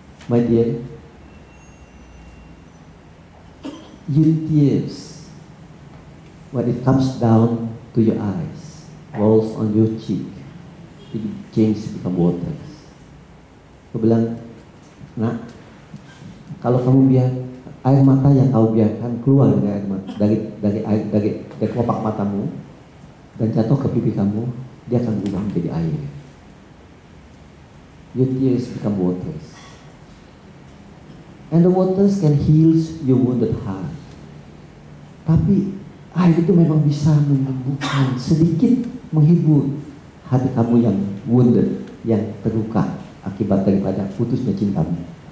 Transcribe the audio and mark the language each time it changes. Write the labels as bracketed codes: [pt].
[en] My dear, your tears, when it comes down to your eyes, rolls on your cheek, it changes become waters. [id] Aku bilang, nak, kalau kamu biar air mata yang kau biarkan keluar dari kelopak matamu dan jatuh ke pipi kamu, dia akan berubah menjadi air. [en] Your tears become waters. And the waters can heal your wounded heart. [id] Tapi air itu memang bisa menyembuhkan sedikit, menghibur hati kamu yang wounded, yang terluka akibat daripada putusnya cintamu.